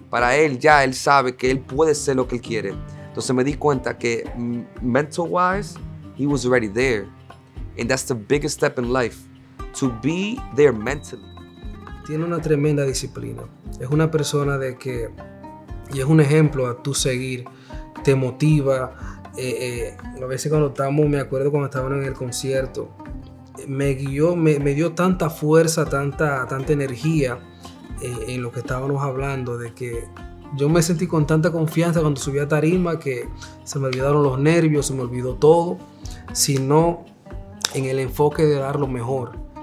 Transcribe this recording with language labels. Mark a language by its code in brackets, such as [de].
[es] Para él, ya él sabe que él puede ser lo que él quiere. Entonces me di cuenta que [en] mental wise, he was already there. And that's the biggest step in life, to be there mentally. [es] Tiene una tremenda disciplina. Es una persona de que, y es un ejemplo a tú seguir, te motiva. A veces cuando estamos, me acuerdo cuando estábamos en el concierto, me guió, me dio tanta fuerza, tanta energía en lo que estábamos hablando, de que yo me sentí con tanta confianza cuando subí a tarima que se me olvidaron los nervios, se me olvidó todo, sino en el enfoque de dar lo mejor.